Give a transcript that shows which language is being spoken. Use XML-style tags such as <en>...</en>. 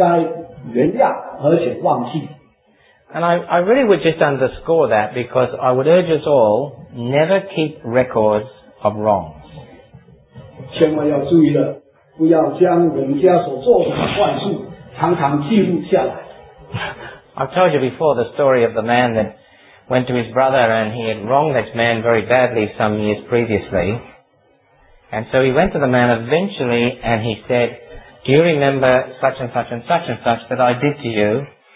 <zh>不要记得，不要常常想到人对我们不住的地方，我们应该原谅而且忘记。</zh> <en>And I really would just underscore that because I would urge us all never keep records of wrongs.</en> <zh>千万要注意了，不要将人家所做的坏事常常记录下来。</zh> <en>I've told you before the story of the man that went to his brother and he had wronged this man very badly some years previously. And so he went to the man eventually and he said, do you remember such and such and such and such that I did to you?</en>